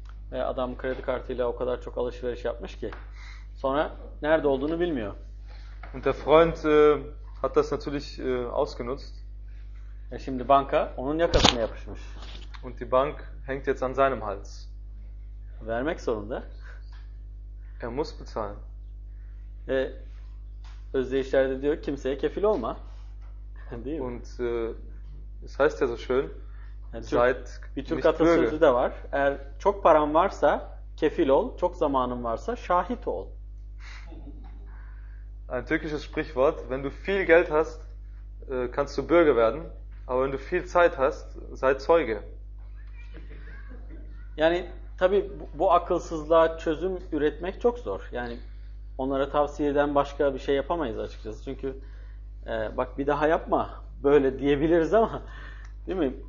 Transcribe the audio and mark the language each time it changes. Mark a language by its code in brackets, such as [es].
[tr] Ve adam kredi kartıyla o kadar çok alışveriş yapmış ki sonra nerede olduğunu bilmiyor. [de] Und der Freund hat das natürlich ausgenutzt. [tr] Şimdi banka onun yakasına yapışmış. [de] Und die Bank hängt jetzt an seinem Hals. [tr] Vermek zorunda. [de] Er muss bezahlen. [tr] Ve özdeyişlerde diyor kimseye kefil olma. Değil mi? [de] Und es heißt ja so schön, yani seid [tr] bir Türk atasözü de var. Eğer çok paran varsa kefil ol, çok zamanın varsa şahit ol. [de] Ein türkisches Sprichwort, wenn du viel Geld hast, kannst du Bürger werden, aber wenn du viel Zeit hast, sei Zeuge. [tr] Yani tabii bu akılsızlığa çözüm üretmek çok zor. Yani onlara tavsiyeden başka bir şey yapamayız açıkçası. Çünkü bak bir daha yapma. Böyle diyebiliriz ama değil mi?